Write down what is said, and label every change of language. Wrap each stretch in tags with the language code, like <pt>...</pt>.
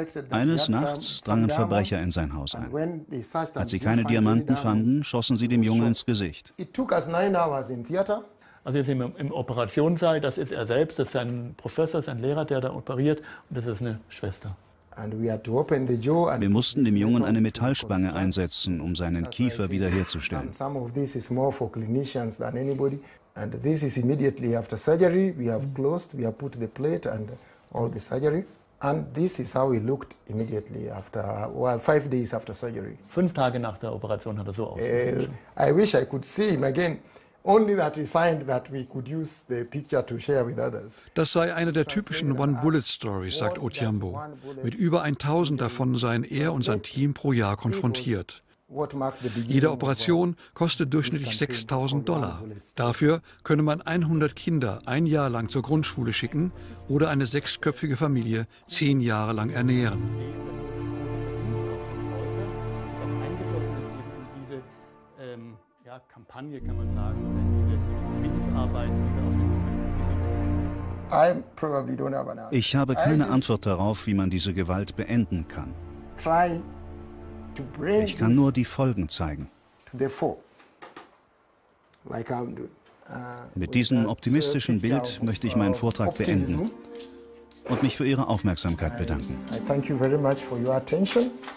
<de>Eines Nachts drangen Verbrecher in sein Haus ein. Als sie keine Diamanten fanden, schossen sie dem Jungen ins Gesicht. Also jetzt sind wir im Operationssaal, das ist er selbst, das ist sein Professor, sein Lehrer, der da operiert, und das ist eine Schwester. Wir mussten dem Jungen eine Metallspange einsetzen, um seinen Kiefer wiederherzustellen.</de> <en>Some of this is more for clinicians than anybody. And this is immediately after surgery. We have closed, we have put the plate and all the surgery. And this is how he looked immediately after, well, 5 days after surgery.</en> <de>5 Tage nach der Operation hat er so ausgesehen.</de> <en>I wish I could see him again. Only that he signed that we could use the picture to share with others.</en> <de>Das sei eine der typischen One-Bullet-Stories, sagt Utiambo. Mit über 1000 davon seien er und sein Team pro Jahr konfrontiert. Jede Operation kostet durchschnittlich $6,000. Dafür könne man 100 Kinder ein Jahr lang zur Grundschule schicken oder eine sechsköpfige Familie 10 Jahre lang ernähren. Kampagne, kann man sagen, oder in die Friedensarbeit, die da auf dem Moment gelegt hat. Ich habe keine Antwort darauf, wie man diese Gewalt beenden kann. Ich kann nur die Folgen zeigen. Mit diesem optimistischen Bild möchte ich meinen Vortrag beenden und mich für Ihre Aufmerksamkeit bedanken.</de> <en>I thank you very much for your attention.</en>